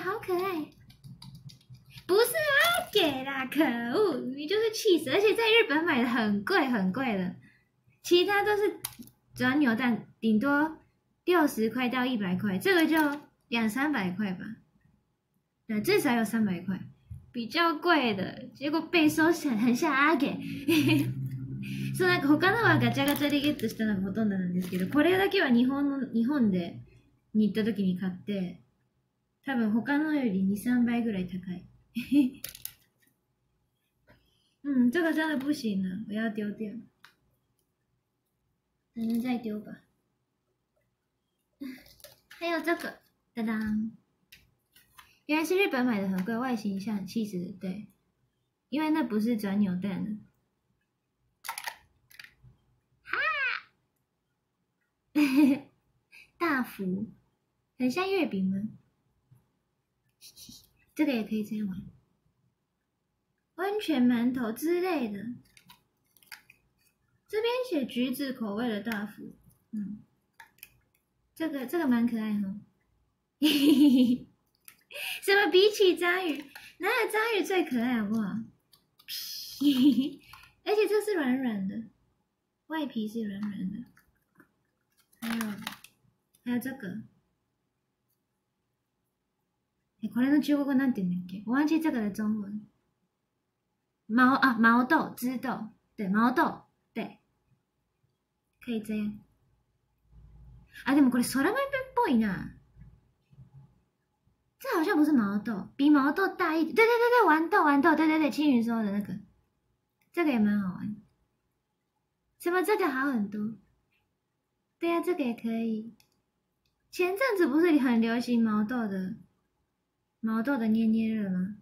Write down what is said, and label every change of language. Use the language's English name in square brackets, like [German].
[Chinese] 好可爱，不是阿给啦，可恶，你就是 cheese， 而且在日本买的很贵很贵的，其他都是转扭蛋，顶多60块到100块，这个就200-300块吧。那至少有300块，比较贵的，结果被收钱，很像阿给。 [Japanese] 所以，他のはガチャガチャでゲットしたのがほとんどなんですけど、これだけは日本でに行った時に買って、多分他のより2-3倍ぐらい高い。 [Chinese] 这个真的不行了，我要丢掉。等等再丢吧。还有这个，当当。原来是日本买的很贵，外形像气质，对，因为那不是转扭蛋。哈，大福，很像月饼吗？这个也可以这样玩，温泉馒头之类的。这边写橘子口味的大福，这个蛮可爱哈，嘿嘿嘿。什么比起章鱼，哪有章鱼最可爱好不好？而且这是软软的，外皮是软软的。还有这个， [Japanese] こ、欸、れの中国語なんて言うんだっけ？ [Chinese] 我忘记这个的中文。毛豆，枝豆，对，毛豆，对，可以这样。 [Japanese] 啊，でもこれソラマメっぽいな。 [Chinese] 这好像不是毛豆，比毛豆大一点。对对对对，豌豆，对对对，青云说的那个，这个也蛮好玩。什么这个好很多？对啊，这个也可以。前阵子不是很流行毛豆的捏捏乐吗？